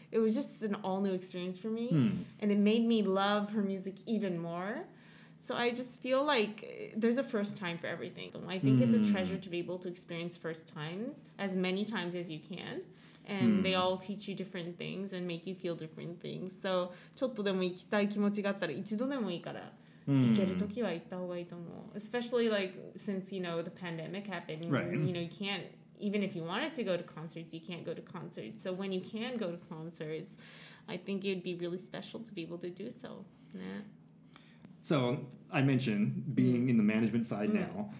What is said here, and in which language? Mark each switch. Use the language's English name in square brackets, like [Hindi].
[English] It was just an all new experience for me. And it made me love her music even more. So I just feel like there's a first time for everything. I think it's a treasure to be able to experience first times as many times as you can. And they all teach you different things and make you feel different things. [Japanese] So, ちょっとでも行きたい気持ちがあったら一度でもいいから行けるときは行った方がいいと思う。 [English] Especially like since, you know, the pandemic happened. You know, you can't, even if you wanted to go to concerts, you can't go to concerts. So when you can go to concerts, I think it'd be really special to be able to do so. Yeah. So, I mentioned being in the management side now.